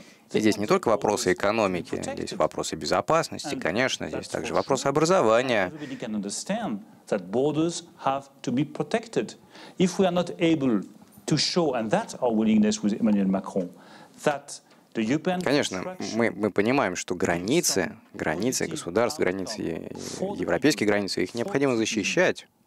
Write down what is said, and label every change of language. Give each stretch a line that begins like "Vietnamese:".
Russian: Здесь не только вопросы экономики, здесь вопросы безопасности, конечно, здесь также вопросы образования.
English: That borders have to be protected. If we are not able to show, and that's our willingness with Emmanuel Macron, that
Russian: Конечно, мы понимаем, что границы государств, границы, европейские границы, их необходимо защищать.